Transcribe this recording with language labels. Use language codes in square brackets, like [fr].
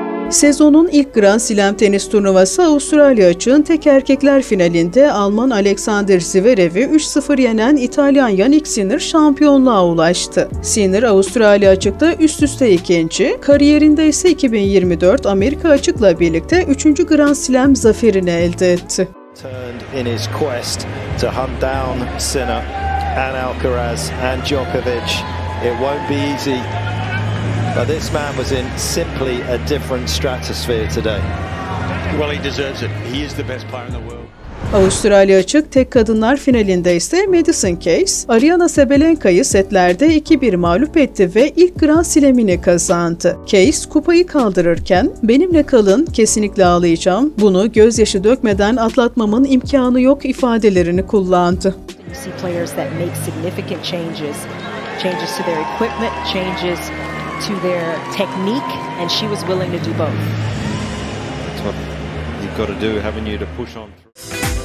[tr] Sezonun ilk Grand Slam tenis turnuvası Avustralya Açık'ın tek erkekler finalinde Alman Alexander Zverev'i 3-0 yenen İtalyan Yannick Sinner şampiyonluğa ulaştı. Sinner Avustralya Açık'ta üst üste ikinci, kariyerinde ise 2024 Amerika Açık'la birlikte 3. Grand Slam zaferini elde etti. [en] Turned in his quest to hunt down Sinner and Alcaraz and Djokovic. It won't be easy. But this man was in simply a different stratosphere today. Well, he deserves it. He is the best player in the world. [tr] Avustralya Açık tek kadınlar finalinde ise Madison Keys, Aryna Sabalenka'yı setlerde 2-1 mağlup etti ve ilk Grand Slam'ini kazandı. Keys kupayı kaldırırken, "Benimle kalın, kesinlikle ağlayacağım. Bunu gözyaşı dökmeden atlatmamın imkanı yok." ifadelerini kullandı. [en] You see players that make significant changes, changes to their equipment, changes to their technique, and she was willing to do both. That's what you've got to do, haven't you, to push on through.